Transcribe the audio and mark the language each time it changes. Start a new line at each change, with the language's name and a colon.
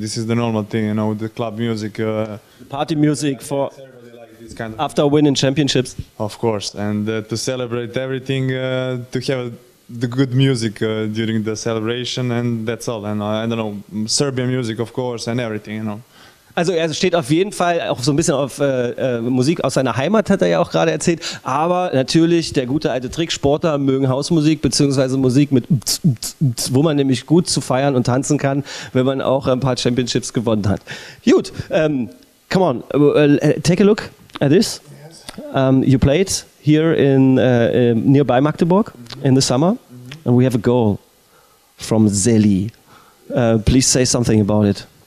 English: This is the normal thing, you know, the club music, party music for like this kind of after thing. Winning championships, of course, and to celebrate everything, to have the good music during the celebration, and that's all. And I don't know, Serbian music, of course, and everything, you know.
German: Also er steht auf jeden Fall auch so ein bisschen auf Musik aus seiner Heimat, hat er ja auch gerade erzählt. Aber natürlich, der gute alte Trick, Sportler mögen Hausmusik bzw. Musik mit wo man nämlich gut zu feiern und tanzen kann, wenn man auch ein paar Championships gewonnen hat.
English: Gut, come on, take a look at this. You played here in nearby Magdeburg in the summer. And we have a goal from Zeli. Please say something about it.